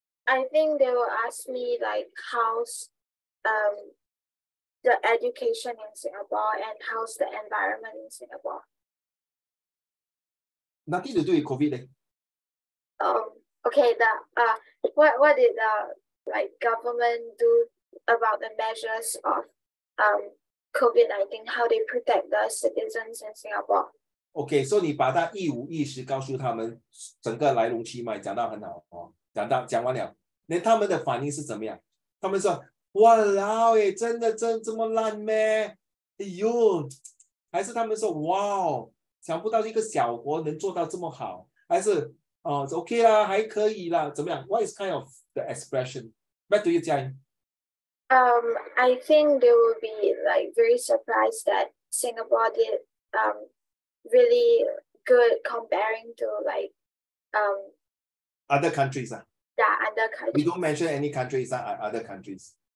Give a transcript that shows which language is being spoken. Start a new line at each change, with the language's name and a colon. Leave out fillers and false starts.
English: I think they will ask me, like, how's the education in Singapore and how's the environment in Singapore? Nothing to do with COVID. Okay, the what did the like government do about the measures of COVID-19? How they protect the citizens in Singapore?
Chinese: Okay, so 你把它一五一十告诉他们整个来龙去脉讲到很好哦，讲到讲完了， then 他们的反应是怎么样？他们说哇嘞，真的这么烂咩？哎呦，还是他们说哇哦，想不到一个小国能做到这么好，还是哦，OK啦，还可以啦，怎么样？
English: What is kind of the expression? Back to you, Jian. I think they will be like very surprised that Singapore did really good comparing to like other countries. Yeah, other countries. We don't mention any countries that are other countries.